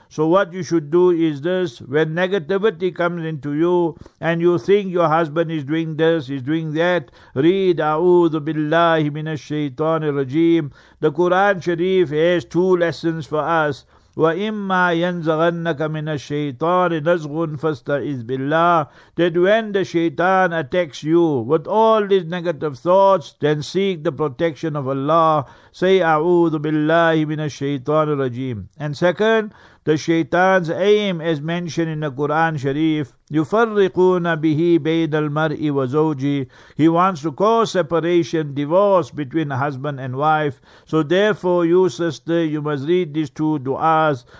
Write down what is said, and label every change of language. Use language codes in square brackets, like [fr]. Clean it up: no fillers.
[en] So what you should do is this, when negativity comes into you, and you think your husband is doing this, he's doing that, read, [ar] A'udhu Billahi Minash Shaitanir Rajeem. [en] The Quran Sharif has two lessons for us. [ar] وَإِمَّا يَنْزَغَنَّكَ مِنَ الشَّيْطَانِ نَزْغٌ فَاسْتَعِذْ بِاللَّهِ. [en] That when the shaitan attacks you with all these negative thoughts, then seek the protection of Allah. [ar] Say, أَعُوذُ بِاللَّهِ مِنَ الشَّيْطَانِ الرَّجِيمِ. [en] And second, the shaitan's aim, as mentioned in the Quran Sharif, [ar] يُفَرِّقُونَ بِهِ بَيْنَ الْمَرْءِ وَزَوْجِهِ. [en] He wants to cause separation, divorce between husband and wife. So therefore, you sister, you must read these two du'as.